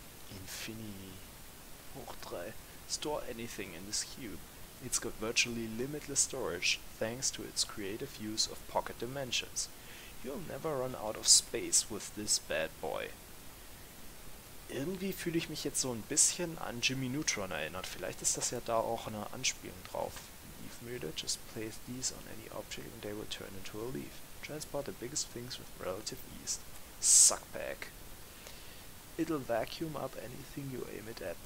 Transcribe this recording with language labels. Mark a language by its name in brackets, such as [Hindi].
[German] Infini hoch 3. [English] Store anything in this cube. It's got virtually limitless storage thanks to its creative use of pocket dimensions. You'll never run out of space with this bad boy. [German] Irgendwie fühle ich mich jetzt so ein bisschen an Jimmy Neutron erinnert. Vielleicht ist das ja da auch eine Anspielung drauf. [English] Leaf Müde, just place these on any object and they will turn into a leaf. Transport the biggest things with relative ease. Suckpack. It'll vacuum up anything you aim it at.